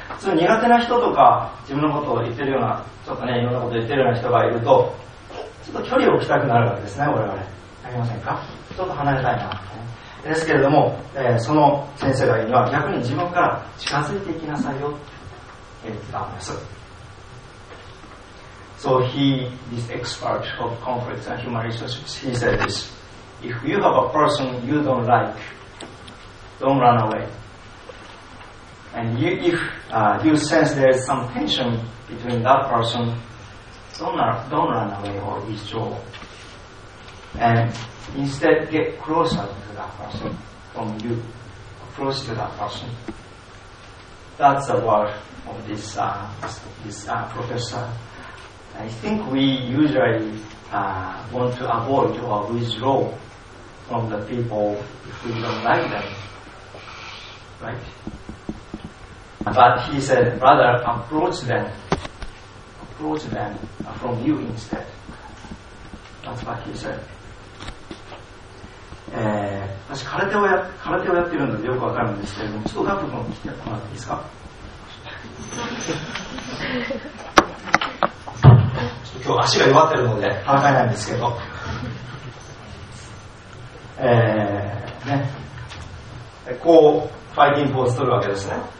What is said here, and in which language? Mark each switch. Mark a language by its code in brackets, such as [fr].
[ja] 普通苦手な人とか自分のことを言ってるようなちょっとねいろんなことを言ってるような人がいるとちょっと距離を置きたくなるわけですね。我々ありませんか。ちょっと離れたいな。ですけれども、その先生が言うには逆に自分から近づいていきなさいよって言ってたんです。 [en] So he, this expert of conflicts and human relationships, he said this. If you have a person you don't like, don't run away. And you, if you sense there is some tension between that person, don't run away or withdraw. And instead get closer to that person from you, close to that person. That's the word of this professor. I think we usually want to avoid or withdraw from the people if we don't like them, right? But he said, rather approach them from you instead. That's what he said. [ja] 私空手をやってるのでよくわかるんですけれども、ちょっとダブルも来てもらっていいですか？今日足が弱ってるので戦えないんですけど、ね、こうファイティングポーズ取るわけですね。